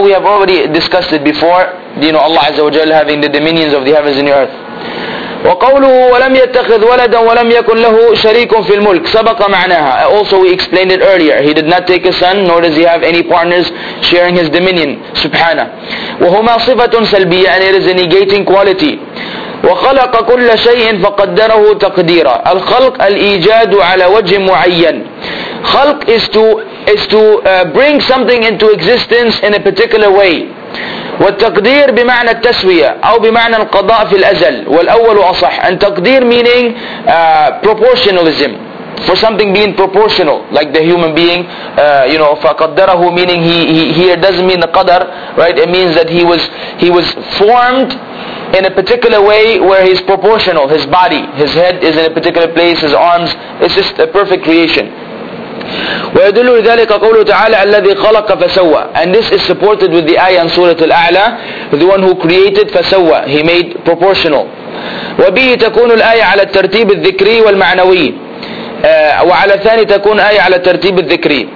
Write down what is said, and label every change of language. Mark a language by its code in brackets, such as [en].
[en] We have already discussed it before. You know, Allah Azza wa Jalla having the dominions of the heavens and the earth. [ar] وَقَوْلُهُ وَلَمْ يَتَّخِذْ وَلَدًا وَلَمْ يَكُنْ لَهُ شَرِيكٌ فِي الْمُلْكِ سَبَقَ مَعْنَاهَا. [en] Also we explained it earlier. He did not take a son, nor does he have any partners sharing his dominion. Subhanahu. [ar] وَهُمَا صِفَةٌ سَلْبِيَةٌ, [en] and it is a negating quality. [ar] وخلق كل شيء فقدره تقديرا. الخلق الإيجاد على وجه معين. [en] خلق is to bring something into existence in a particular way. [ar] والتقدير بمعنى التسوية أو بمعنى القضاء في الأزل والأول أصح. [en] And تقدير meaning proportionalism, for something being proportional, like the human being, you know, فقدره, meaning he here doesn't mean the قدر, right? It means that he was formed in a particular way where he's proportional. His body, his head is in a particular place, his arms, it's just a perfect creation. [ar] ويدل لذلك قوله تعالى الذي خلق فسوى. [en] And this is supported with the ayah in Surah Al-A'la, the one who created فسوى, he made proportional. [ar] وبه تكون الآية على الترتيب الذكري والمعنوي. وعلى الثاني تكون آية على الترتيب الذكري.